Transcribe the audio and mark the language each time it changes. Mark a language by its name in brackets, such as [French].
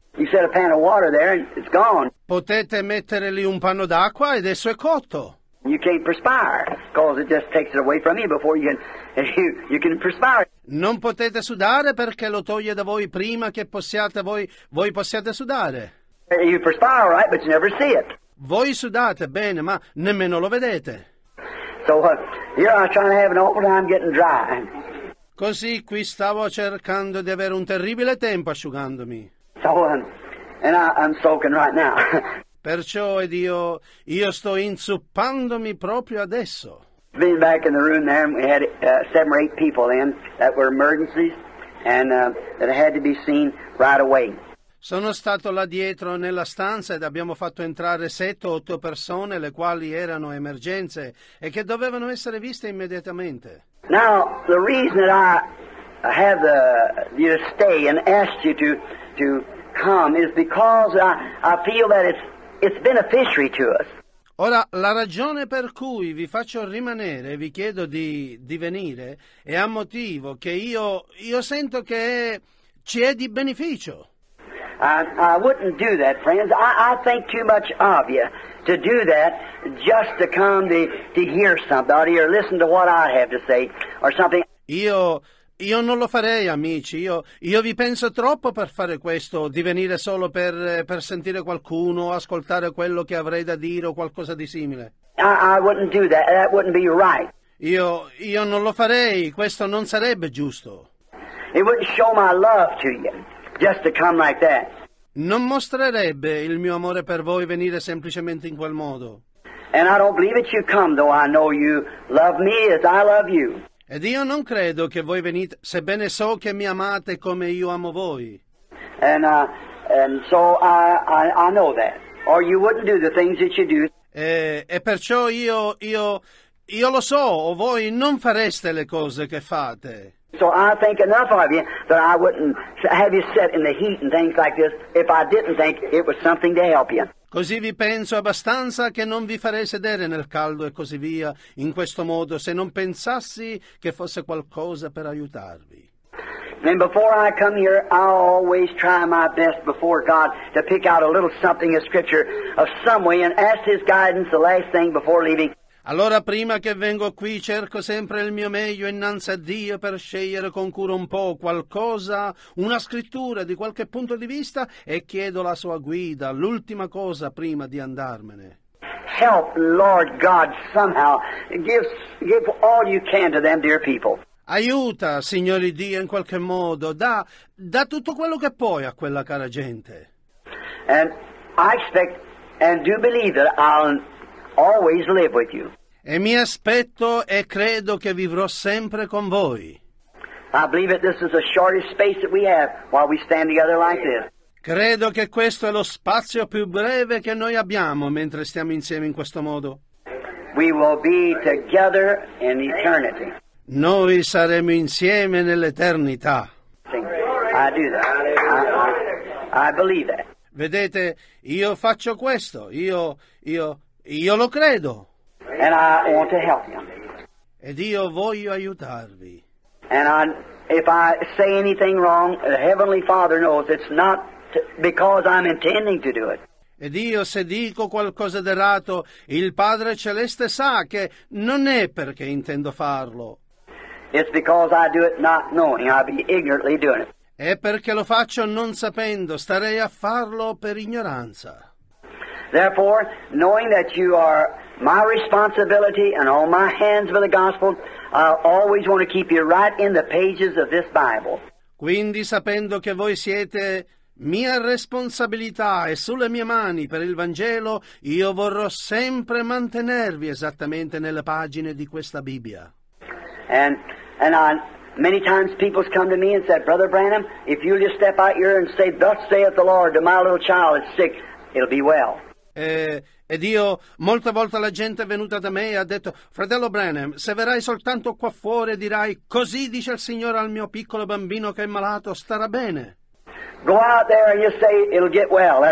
[English] You set a pan of water there and it's gone. [Italian] Potete mettere lì un panno d'acqua ed esso è cotto. [English] You can't perspire because it just takes it away from you before you can perspire. [Italian] Non potete sudare perché lo toglie da voi prima che possiate voi possiate sudare. [English] You perspire, right, but you never see it. [Italian] Voi sudate bene, ma nemmeno lo vedete. [English] So, I was trying to have an awful time getting dry. [Italian] Così qui stavo cercando di avere un terribile tempo asciugandomi. [English] So, I'm soaking right now. [Italian] Perciò ed io sto inzuppandomi proprio adesso. [English] Being back in the room there, we had 7 or 8 people in that were emergencies and that had to be seen right away. [Italian] Sono stato là dietro nella stanza ed abbiamo fatto entrare 7 o 8 persone le quali erano emergenze e che dovevano essere viste immediatamente. [English] Now, the reason that I have you to stay and asked you to come is because I feel that it's beneficiary to us. [Italian] Ora, la ragione per cui vi faccio rimanere, vi chiedo di venire, è a motivo che io sento che ci è di beneficio. [English] I wouldn't do that, friends. I think too much of you to do that just to come to hear somebody or listen to what I have to say or something. [Italian] Io non lo farei, amici. Io vi penso troppo per fare questo, di venire solo per sentire qualcuno, ascoltare quello che avrei da dire o qualcosa di simile. [English] I wouldn't do that. That wouldn't be right. [Italian] Io non lo farei. Questo non sarebbe giusto. [English] It wouldn't show my love to you just to come like that. [Italian] Non mostrerebbe il mio amore per voi venire semplicemente in quel modo. [English] And I don't believe that you come, though I know you love me as I love you. [Italian] Ed io non credo che voi venite, sebbene so che mi amate come io amo voi. [English] And so I know that. Or you wouldn't do the things that you do. [Italian] E perciò io lo so, o voi non fareste le cose che fate. [English] So I think enough of you that I wouldn't have you sit in the heat and things like this if I didn't think it was something to help you. [Italian] Così vi penso abbastanza che non vi farei sedere nel caldo e così via, in questo modo, se non pensassi che fosse qualcosa per aiutarvi. [English] And before I come here, I always try my best before God to pick out a little something of scripture of some way and ask his guidance the last thing before leaving. [Italian] Allora, prima che vengo qui, cerco sempre il mio meglio innanzi a Dio per scegliere con cura un po' qualcosa, una scrittura di qualche punto di vista e chiedo la sua guida, l'ultima cosa prima di andarmene. [English] Help, Lord God, somehow. Give all you can to them, dear people. [Italian] Aiuta, Signore Dio, in qualche modo. Da tutto quello che puoi a quella cara gente. [English] And I expect and do believe that I'll always live with you. [Italian] E mi aspetto e credo che vivrò sempre con voi. [English] I believe that this is the shortest space that we have while we stand together like this. [Italian] Credo che questo è lo spazio più breve che noi abbiamo mentre stiamo insieme in questo modo. [English] We will be together in eternity. [Italian] Noi saremo insieme nell'eternità. [English] I do that. I believe that. [Italian] Vedete, io faccio questo. Io lo credo. [English] Amen. And I want to help him. [Italian] Ed io voglio aiutarvi. [English] And I, if I say anything wrong, the Heavenly Father knows it's not because I'm intending to do it. [Italian] Ed io se dico qualcosa d'errato, il Padre Celeste sa che non è perché intendo farlo. [English] It's because I do it not knowing, I'd be ignorantly doing it. [Italian] È perché lo faccio non sapendo, starei a farlo per ignoranza. [English] Therefore, knowing that you are my responsibility and all my hands for the gospel, I always want to keep you right in the pages of this Bible. [Italian] Quindi, sapendo che voi siete mia responsabilità e sulle mie mani per il Vangelo, io vorrò sempre mantenervi esattamente nelle pagine di questa Bibbia. [English] And many times people come to me and said, Brother Branham, if you just step out here and say, Thus saith the Lord to my little child that's sick, it'll be well. [Italian] Ed io, molte volte la gente è venuta da me e ha detto, Fratello Branham, se verrai soltanto qua fuori e dirai, Così dice il Signore al mio piccolo bambino che è malato, starà bene. [English] Go out there and you say it'll get well.